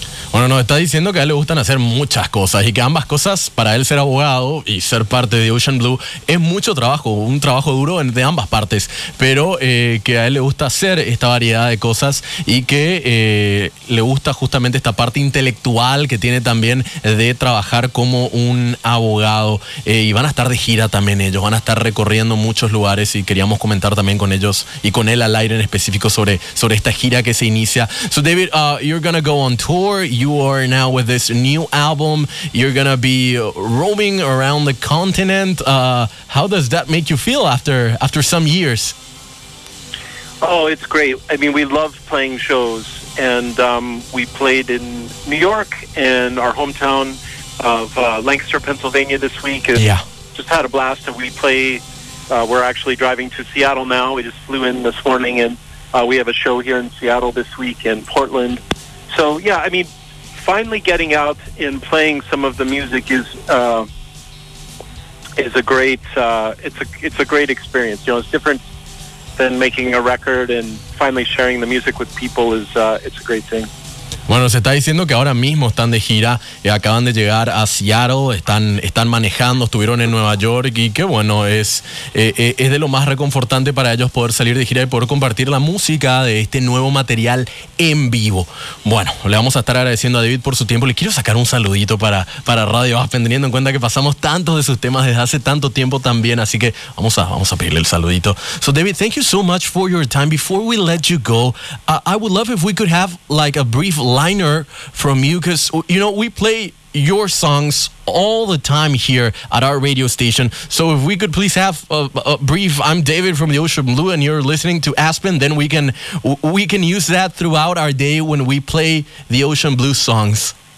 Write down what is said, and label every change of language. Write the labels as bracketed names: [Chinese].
[Spanish] Bueno, nos está diciendo que a él le gustan hacer muchas cosas y que ambas cosas, para él ser abogado y ser parte de Ocean Blue, es mucho trabajo, un trabajo duro de ambas partes, pero que a él le gusta hacer esta variedad de cosas y que le gusta justamente esta parte intelectual que tiene también de trabajar como un abogado. Y van a estar de gira también ellos, van a estar recorriendo muchos lugares y queríamos comentar también con ellos y con él al aire en específico sobre esta gira que se inicia. [English] So David, you're gonna go on tour. You are now with this new album. You're going to be roaming around the continent. How does that make you feel after some years? Oh, it's great. I mean, we love playing shows. And we played in New York and our hometown of Lancaster, Pennsylvania this week. And yeah. Just had a blast. And we play. We're actually driving to Seattle now. We just flew in this morning. And we have a show here in Seattle this week in Portland. So, yeah, I mean, finally getting out and playing some of the music is a great experience. You know, it's different than making a record and finally sharing the music with people is a great thing. [Spanish] Bueno, se está diciendo que ahora mismo están de gira, acaban de llegar a Seattle, están manejando, estuvieron en Nueva York y qué bueno, es de lo más reconfortante para ellos poder salir de gira y poder compartir la música de este nuevo material en vivo. Bueno, le vamos a estar agradeciendo a David por su tiempo. Le quiero sacar un saludito para Radio Aspen, teniendo en cuenta que pasamos tantos de sus temas desde hace tanto tiempo también, así que vamos a pedirle el saludito. [English] So David, thank you so much for your time. Before we let you go, I would love if we could have like a brief liner from you, because you know we play your songs all the time here at our radio station, so if we could please have a brief, I'm David from the Ocean Blue and you're listening to Aspen, then we can use that throughout our day when we play the Ocean Blue songs.